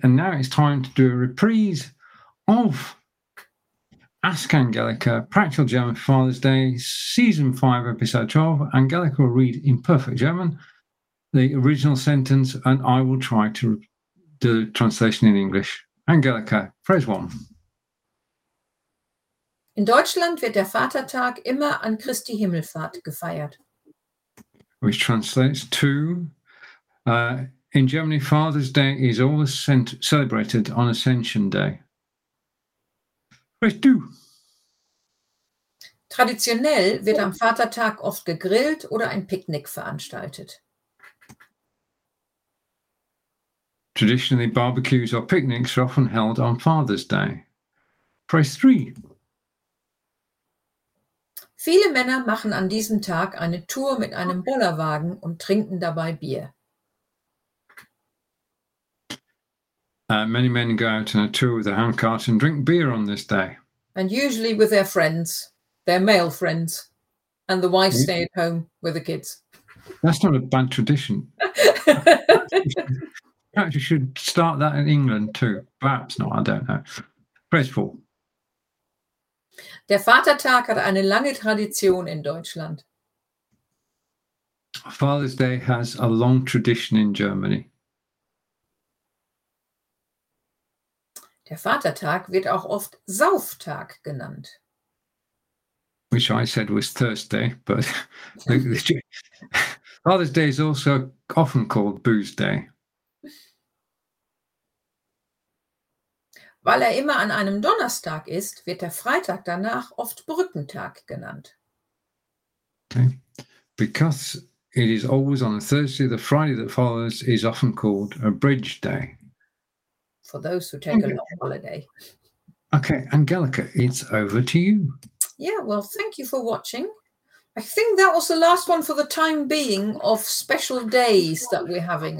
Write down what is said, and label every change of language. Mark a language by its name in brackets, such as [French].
[English] And now it's time to do a reprise of Ask Angelica, Practical German for Father's Day, Season 5, Episode 12. Angelica will read in perfect German the original sentence, and I will try to do the translation in English. Angelica, phrase one. [German] In Deutschland wird der Vatertag immer an Christi Himmelfahrt gefeiert. [English] Which translates to, in Germany, Father's Day is always celebrated on Ascension Day. Phrase 2. [German] Traditionell wird am Vatertag oft gegrillt oder ein Picknick veranstaltet. [English] Traditionally, barbecues or picnics are often held on Father's Day. Phrase 3. [German] Viele Männer machen an diesem Tag eine Tour mit einem Bollerwagen und trinken dabei Bier. [English] Many men go out on a tour with a handcart and drink beer on this day. And usually with their friends, their male friends, and the wives stay at home with the kids. That's not a bad tradition. Perhaps you should start that in England too. Perhaps not, I don't know. Phrase 4. [German] Der Vatertag hat eine lange Tradition in Deutschland. [English] Father's Day has a long tradition in Germany. [German] Der Vatertag wird auch oft Sauftag genannt. [English] Which I said was Thursday, but Father's Day is also often called Booze Day. [German] Weil er immer an einem Donnerstag ist, wird der Freitag danach oft Brückentag genannt. [English] Okay. Because it is always on a Thursday, the Friday that follows is often called a bridge day. For those who take a long holiday. Okay, Angelica, it's over to you. Yeah, well, thank you for watching. I think that was the last one for the time being of special days that we're having.